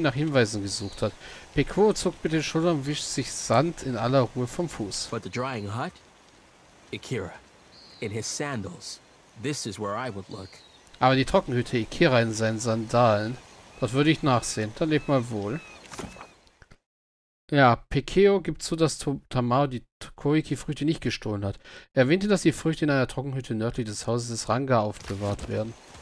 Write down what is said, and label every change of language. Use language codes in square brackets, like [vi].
[de] Da Mokumo nie nach Hinweisen gesucht hat. Pekuo zuckt mit den Schultern und wischt sich Sand in aller Ruhe vom Fuß. [en] But the drying hut? Ikira, in his sandals, this is where I would look. [de] Aber die Trockenhütte, Ikira in seinen Sandalen, dort würde ich nachsehen. Dann leb mal wohl. Ja, Pekuo gibt zu, dass Tamao die Koiki-Früchte nicht gestohlen hat. Er erwähnte, dass die Früchte in einer Trockenhütte nördlich des Hauses des Ranga aufbewahrt werden.